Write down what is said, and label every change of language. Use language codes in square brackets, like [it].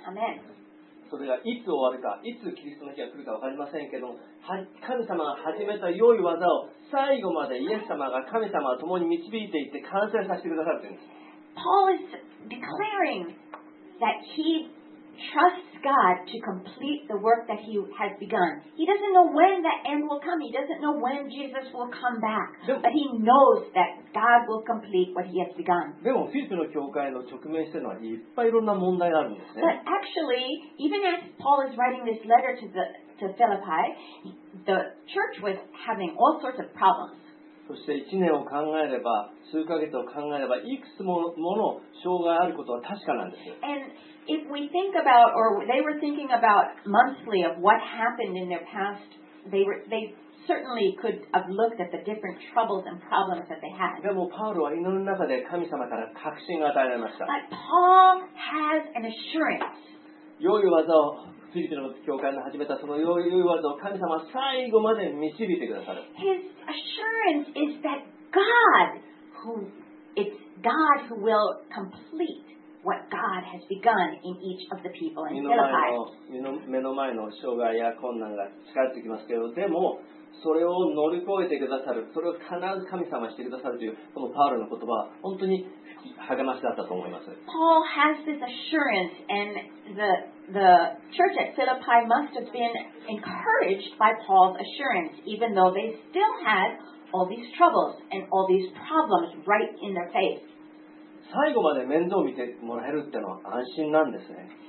[en] Amen. [ja] それがいつ終わるか、いつキリストの日が来るか分かりませんけど、神様が始めた良い技を最後までイエス様が神様と共に導いていって完成させてくださるんです。 [en] Paul is declaring that heTrusts God to complete the work that he has begun. He doesn't know when that end will come. He doesn't know when Jesus will come back. But he knows that God will complete what he has begun. But actually, even as Paul is writing this letter to Philippi, the church was having all sorts of problems. [ja] そして1年を考えれば、数ヶ月を考えれば、いくつもの障害があることは確かなんです。 [en] And if we think about, or they were thinking about monthly of what happened in their past, they certainly could have looked at the different troubles and problems that they had. [ja] でもパウロは祈る中で神様から確信が与えられました。 [en] But Paul has an assurance. [ja] 良い技を。フィリピンの教会の始めたその良い技を神様は最後まで導いてくださる。 [en] His assurance is that God, it's God who will complete what God has begun in each of the people in Philippi. [ja] 目の前の障害や困難が近づいてきますけど、でもそれを乗り越えてくださる、それを必ず神様してくださるというこのパウロの言葉は本当に励ましだったと思います。 [en] Paul has this assurance and the church at Philippi must have been encouraged by Paul's assurance, even though they still had all these troubles and all these problems right in their face. [ja] 最後まで面倒を見てもらえるってのは安心なんですね。